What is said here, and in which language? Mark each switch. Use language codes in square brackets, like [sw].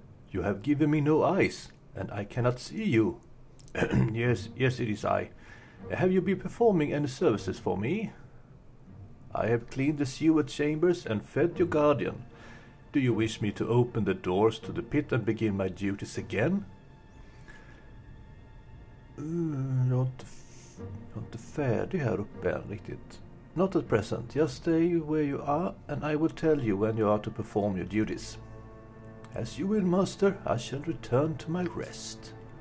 [en] You have given me no eyes, and I cannot see you. Yes, it is I. Have you been performing any services for me? I have cleaned the sewer chambers and fed your guardian. Do you wish me to open the doors to the pit and begin my duties again? [sv] Jag är inte färdig här uppe än riktigt. [en] Not at present. Just stay where you are, and I will tell you when you are to perform your duties. As you will, master, I shall return to my rest.